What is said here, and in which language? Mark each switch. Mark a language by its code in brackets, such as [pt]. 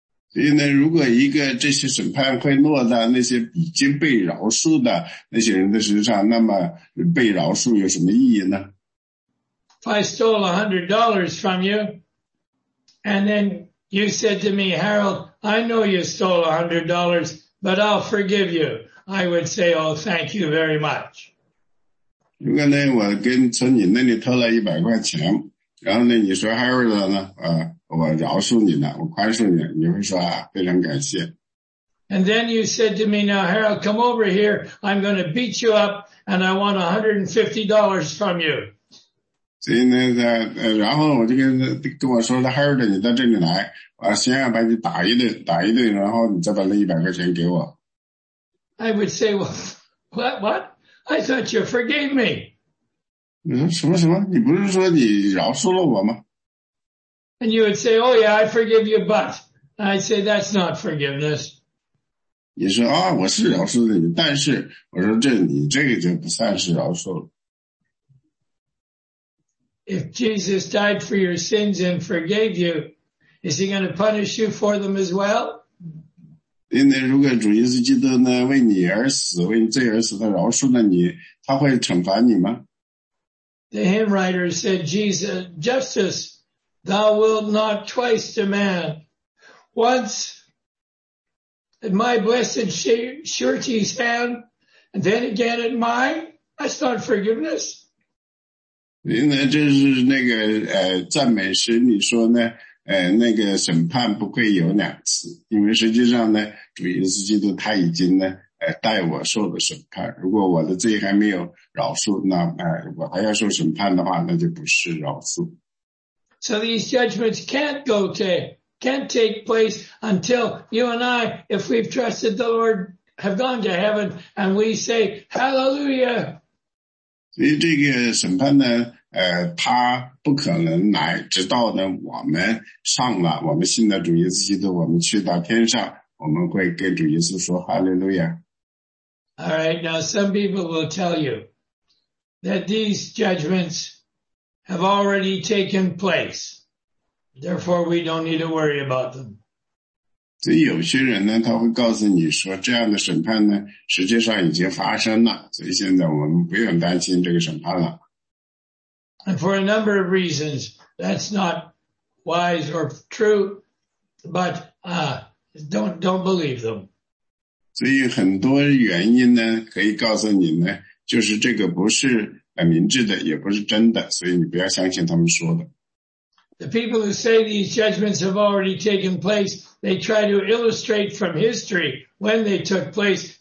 [zh] 所以呢，如果一个这些审判会落在那些已经被饶恕的那些人的身上，那么被饶恕有什么意义呢？ [en] If I stole $100 from you, and then you said to me, Harold, I know you stole $100, but I'll forgive you. I would say, oh, thank you very much. [zh] 如果呢，我跟从你那里偷了100块钱，然后呢，你说 Harold 呢，我饶恕你了，我宽恕你，你会说啊，非常感谢。 [en] And then you said to me, now Harold, come over here. I'm going to beat you up, and I want $150 from you. [zh] 所以呢，然后我就跟我说的 Harold， 你到这里来，我先要把你打一顿，打一顿，然后你再把那100块钱给我。 [en] I would say, what? I thought you forgave me. [zh] 什么什么？你不是说你饶恕了我吗 [en] ？And you would say, "Oh yeah, I forgive you," but I'd say that's not forgiveness. [zh] 你说啊，我是饶恕了你，但是我说这你这个就不算是饶恕了。 [en] If Jesus died for your sins and forgave you, is he going to punish you for them as well? [zh] 因为如果主耶稣基督呢为你而死，为你罪而死，他饶恕了你，他会惩罚你吗 [en] ？The hymn writer said, "Jesus, justice, thou wilt not twice demand. Once at my blessed surety's hand, and then again at mine." That's not forgiveness. [zh] 因为这是那个赞美诗里说呢。那个审判不会有两次，因为实际上呢，主耶稣基督他已经呢，代我受了审判。如果我的罪还没有饶恕，那我还要受审判的话，那就不是饶恕。 [en] So these judgments can't take place until you and I, if we've trusted the Lord, have gone to heaven and we say Hallelujah. [zh] 所以这个审判呢？他不可能来，直到呢我们上了，我们信了主耶稣基督，我们去到天上，我们会跟主耶稣说哈利路亚。 [en] All right, now some people will tell you that these judgments have already taken place, therefore we don't need to worry about them. [zh] 所以有些人呢，他会告诉你说，这样的审判呢，实际上已经发生了，所以现在我们不用担心这个审判了。 [en] And for a number of reasons, that's not wise or true, but, don't believe them. [zh] 所以很多原因呢，可以告诉你呢，就是这个不是明智的，也不是真的，所以你不要相信他们说的。 [en] The people who say these judgments have already taken place, they try to illustrate from history when they took place.